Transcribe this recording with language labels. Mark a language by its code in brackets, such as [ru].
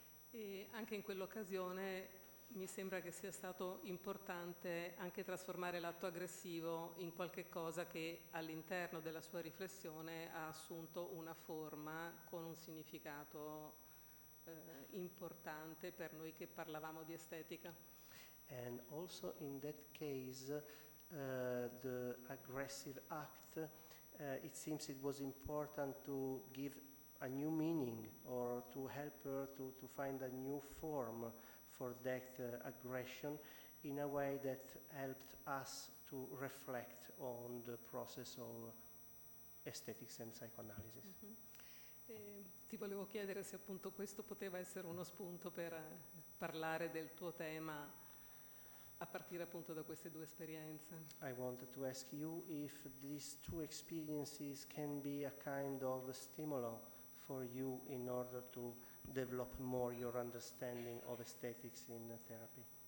[it] E anche in quell'occasione mi sembra che sia stato importante anche trasformare l'atto aggressivo in qualche cosa che all'interno della sua riflessione ha assunto una forma con un significato importante per noi che parlavamo di estetica. [en] And also in that case the aggressive act, it seems it was important to give a new meaning or to help her to find a new form for that aggression in a way that helped us to reflect on the process of aesthetics and psychoanalysis. Mm-hmm. [it] Ti volevo chiedere se appunto questo poteva essere uno spunto per parlare del tuo tema a partire appunto da queste due esperienze. [en] I wanted to ask you if these two experiences can be a kind of a stimulo for you in order to develop more your understanding of aesthetics in therapy.